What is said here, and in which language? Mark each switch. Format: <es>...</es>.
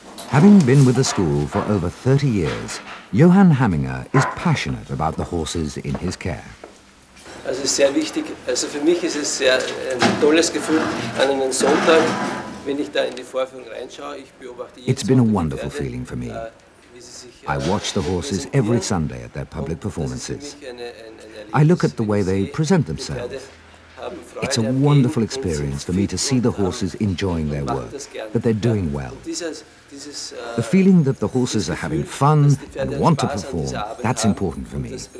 <en>Having been with the school for over 30 years, Johann Hamminger is passionate about the horses in his care.</en> <de>Also ist sehr wichtig. Also für mich ist es sehr ein tolles Gefühl an einem Sonntag, wenn ich da in die Vorführung reinschaue, ich beobachte jedes.</de> <en>It's been a wonderful feeling for me. I watch the horses every Sunday at their public performances. I look at the way they present themselves. It's a wonderful experience for me to see the horses enjoying their work, that they're doing well. The feeling that the horses are having fun and want to perform, that's important for me.</en>